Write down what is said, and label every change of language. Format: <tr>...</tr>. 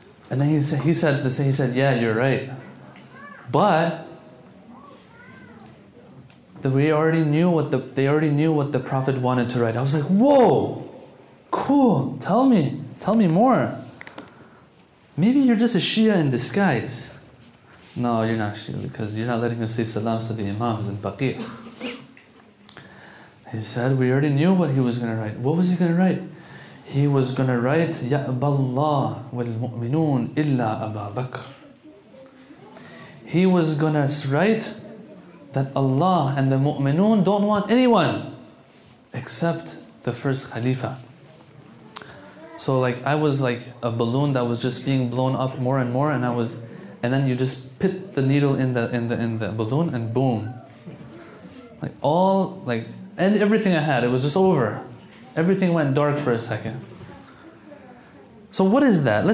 <en>And then he said, yeah, you're right. But they already knew what the Prophet wanted to write. I was like, whoa, cool. Tell me more. Maybe you're just a Shia in disguise. No, you're not Shia because you're not letting us say salam to the imams and faqih. He said, we already knew what he was going to write. What was he going to write? He was going to write,</en> <ar>يَأْبَى اللَّهُ وَالْمُؤْمِنُونَ إِلَّا أَبَا بَكْرٍ.</ar> <en>He was going to write that Allah and the mu'minun don't want anyone except the first Khalifa. So like I was like a balloon that was just being blown up more and more, and I was, and then you just pit the needle in the balloon and boom, like all, like, and everything I had, it was just over, everything went dark for a second. So what is that?</en>